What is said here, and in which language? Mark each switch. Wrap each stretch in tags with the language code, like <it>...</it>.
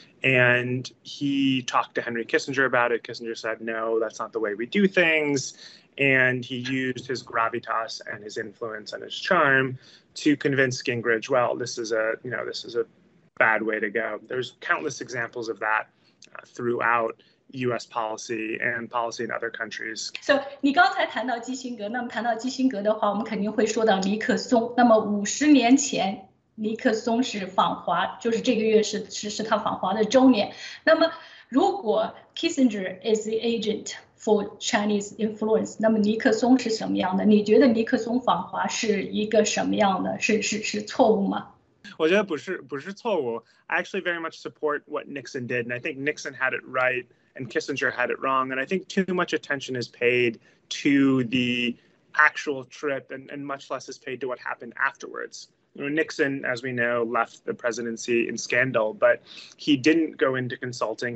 <en>And he talked to Henry Kissinger about it. Kissinger said, no, that's not the way we do things. And he used his gravitas and his influence and his charm to convince Gingrich, well, this is a bad way to go. There's countless examples of that throughout U.S. policy and policy in other countries.</en> <zh>So, 你刚才谈到基辛格，那么谈到基辛格的话，我们肯定会说到尼克松。那么五十年前，尼克松是访华，就是这个月是他访华的周年。那么如果</zh> <en>Kissinger is the agent for Chinese influence,</en> <zh>那么尼克松是什么样的？你觉得尼克松访华是一个什么样的？是错误吗？我觉得不是错误。</zh> <en>I actually very much support what Nixon did, and I think Nixon had it right. And Kissinger had it wrong. And I think too much attention is paid to the actual trip and much less is paid to what happened afterwards. You know, Nixon, as we know, left the presidency in scandal, but he didn't go into consulting.</en>